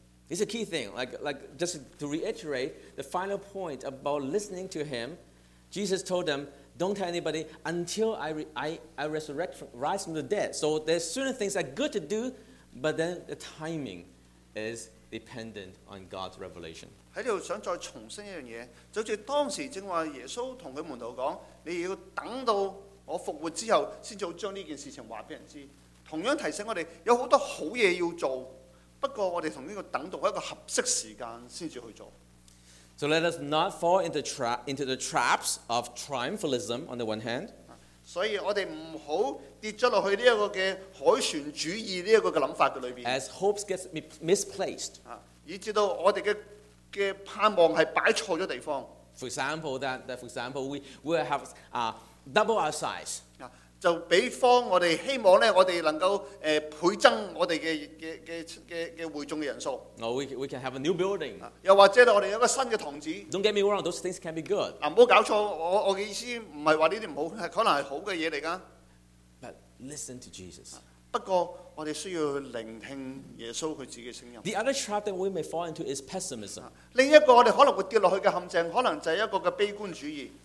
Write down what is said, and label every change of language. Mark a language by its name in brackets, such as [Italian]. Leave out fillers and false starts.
[English] It's a key thing, like just to reiterate the final point about listening to him. Jesus told them, don't tell anybody until I resurrect, rise from the dead. So there's certain things that are good to do, but then the timing is dependent on God's revelation. [Chinese] 在这里想再重申一件事，就像当时正话耶稣跟他们都说，你要等到我复活之后，才要将这件事情告诉人知。同样提醒我们，有很多好事要做，不過我們和等到一個合適時間才去做。 [English] So let us not fall into the traps of triumphalism on the one hand. [Chinese] 所以我們不要跌進去這個的海旋主義這個想法裡面。 [English] As hopes get misplaced. [Chinese] 以致到我們的盼望是擺錯了地方。 [English] For example, we will have double our size. [Chinese] 就比方我們希望我們能夠倍增我們的會眾的人數。 [English] No, we can have a new building. [Chinese] 又或者我們有一個新的堂子。 [English] Don't get me wrong, those things can be good. [Chinese] 不要搞錯，我的意思不是說這些不好，可能是好的東西來的。 [English] But listen to Jesus. [Chinese] 不過我們需要聆聽耶穌祂自己的聲音。 [English] The other trap that we may fall into is pessimism. [Chinese] 另一個我們可能會跌下去的陷阱，可能就是一個的悲觀主義。